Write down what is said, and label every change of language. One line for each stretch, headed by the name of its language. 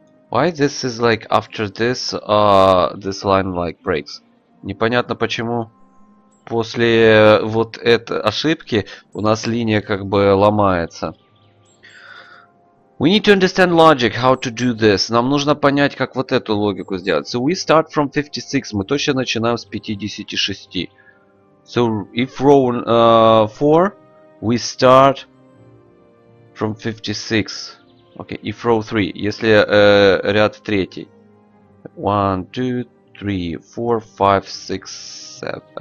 English: Why this is like after this this line like breaks?
Russian: Непонятно почему после вот этой ошибки у нас линия как бы ломается.
English: We need to understand logic how to do this.
Russian: Нам нужно понять, как вот эту логику сделать.
English: So we start from 56.
Russian: Мы точно начинаем с 56.
English: So if row 4, we start from 56. Okay, if row 3,
Russian: если ряд третий.
English: 1, 2, 3, 4, 5, 6, 7.